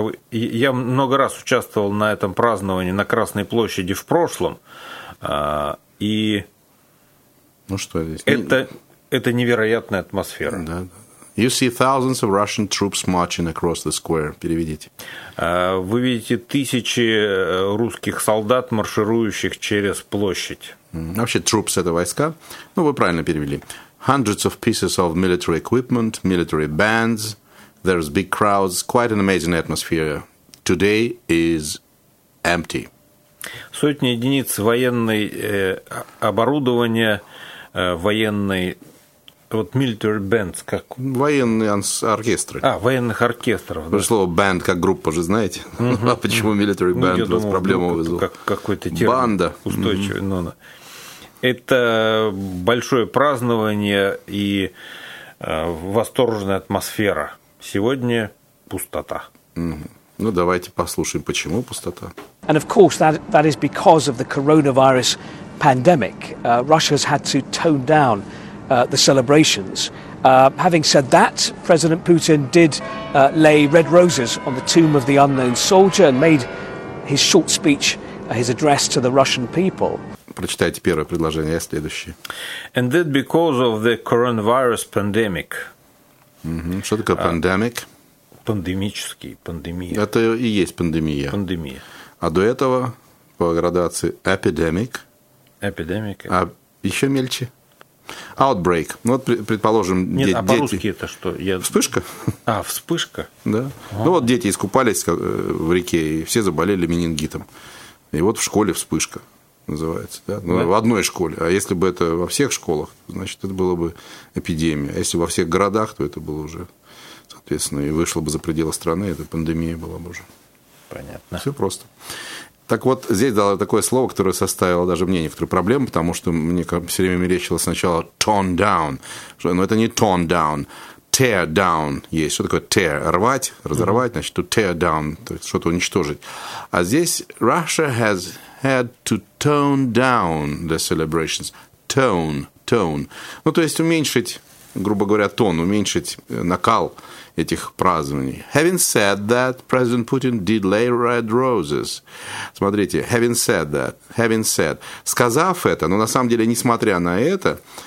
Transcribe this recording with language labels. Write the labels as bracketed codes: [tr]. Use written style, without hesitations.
[ru] Я много раз участвовал на этом праздновании на Красной площади в прошлом, и ну, что здесь? Это невероятная атмосфера. Да. [en] You see thousands of Russian troops marching across the square. [ru] Переведите. Вы видите тысячи русских солдат, марширующих через площадь. Вообще, troops – это войска. Ну, вы правильно перевели. [en] Hundreds of pieces of military equipment, military bands. There's big crowds. Quite an amazing atmosphere. Today is empty. [ru] Сотни единиц военной оборудования, военной... Вот military bands, как... Военные оркестры. А, военных оркестров. Да. Слово band, как группа же, знаете? Uh-huh. А почему military band у вас проблему вызвал? Как, какой-то термин. Банда. Устойчивый. Uh-huh. Но. Это большое празднование и восторженная атмосфера. Сегодня пустота. Uh-huh. Ну, давайте послушаем, почему пустота. [en] And of course, that is because of the coronavirus pandemic. Russia's had to tone down the celebrations. Having said that, President Putin did lay red roses on the tomb of the unknown soldier and made his short speech, his address to the Russian people. [ru] Прочитайте первое предложение, а следующее. [en] And that because of the coronavirus pandemic. [ru] Mm-hmm. Что такое pandemic? Пандемический, пандемия. Это и есть пандемия. Пандемия. А до этого по градации epidemic. [en] Epidemic. [ru] А еще мельче. Outbreak. Ну, вот, предположим, нет, дети... Нет, а по-русски это что? Вспышка. А, вспышка? Да. А-а-а. Ну, вот дети искупались в реке, и все заболели менингитом. И вот в школе вспышка называется. Да? Ну, в одной школе. А если бы это во всех школах, значит, это была бы эпидемия. А если во всех городах, то это было уже, соответственно, и вышло бы за пределы страны, это пандемия была бы уже. Понятно. Все просто. Так вот, здесь дало такое слово, которое составило даже мне некоторые проблемы, потому что мне все время мерещилось сначала tone down. Но это не [en] tone down, tear down [ru] есть. Что такое tear? Рвать, разорвать, значит, [en] to tear down, [ru] то есть что-то уничтожить. А здесь [en] Russia has had to tone down the celebrations. Tone. [ru] Ну, то есть уменьшить, грубо говоря, тон, уменьшить накал этих празднований. [en] Having said that, President Putin did lay red roses. [ru] Смотрите, [en] having said that, having said. [ru] Сказав это, но на самом деле, несмотря на это...